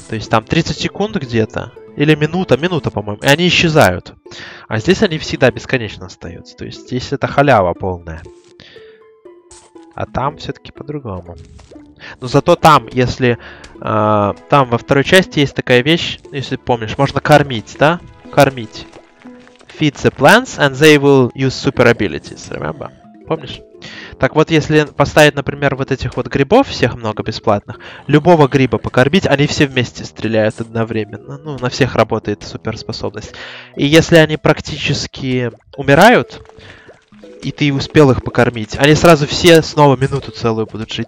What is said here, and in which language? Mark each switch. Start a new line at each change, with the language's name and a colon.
Russian: То есть там 30 секунд где-то, или минута, по-моему, и они исчезают. А здесь они всегда бесконечно остаются. То есть здесь это халява полная. А там все-таки по-другому. Но зато там, если... там во второй части есть такая вещь, если помнишь, можно кормить, да? Кормить.
English: Feed the plants and they will use super abilities, remember?
Russian: Помнишь? Так вот, если поставить, например, вот этих вот грибов, всех много бесплатных, любого гриба покормить, они все вместе стреляют одновременно. Ну, на всех работает суперспособность. И если они практически умирают, и ты успел их покормить, они сразу все снова минуту целую будут жить.